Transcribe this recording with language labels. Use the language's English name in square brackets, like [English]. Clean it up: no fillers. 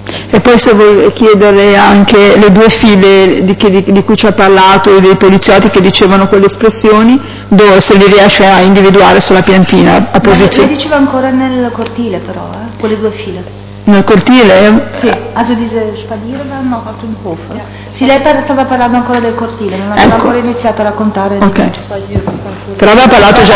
[Italian] E poi se vuoi chiedere anche le due file di cui ci ha parlato, dei poliziotti che dicevano quelle espressioni, dove se li riesce a individuare sulla piantina, a posizione. Ma diceva ancora nel cortile però, quelle due file. Nel cortile? [German] Sì, also diese Spalier waren noch auf dem Hof. [Italian] Sì, lei stava parlando ancora del cortile, non aveva ancora iniziato a raccontare. Ok, però aveva parlato già